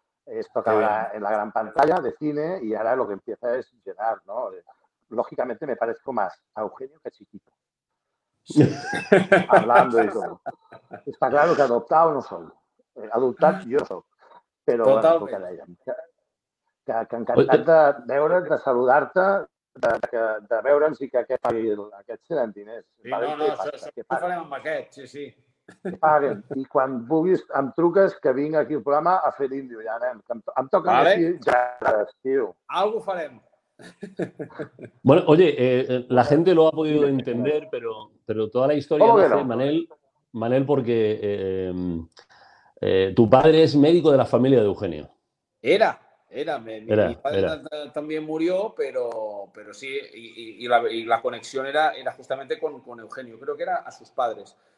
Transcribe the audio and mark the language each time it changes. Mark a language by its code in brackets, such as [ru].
[es] esto acabará en la gran pantalla de cine y ahora lo que empieza es llenar, ¿no? Lógicamente me parezco más a Eugenio que a Chiquito. Hablando y todo. Está claro que adoptado no soy. Adoptado yo soy. [ca] Pero que encantat de veure't, de saludar-te, de veure'ns i que aquest pagui aquests 70 diners. Sí, no, no, ho farem amb aquest, sí, sí. [es] Que paguen. [ca] I quan vulguis, em truques que vinc aquí al programa a fer l'Índio, ja, nen. Em toca vale. Així, ja, tio. Algo farem. [es] Bueno, oye, la gente lo ha podido entender, pero toda la historia de Manel, porque tu padre es médico de la familia de Eugenio. Mi padre también murió, pero sí, y la conexión era justamente con Eugenio, creo que era a sus padres.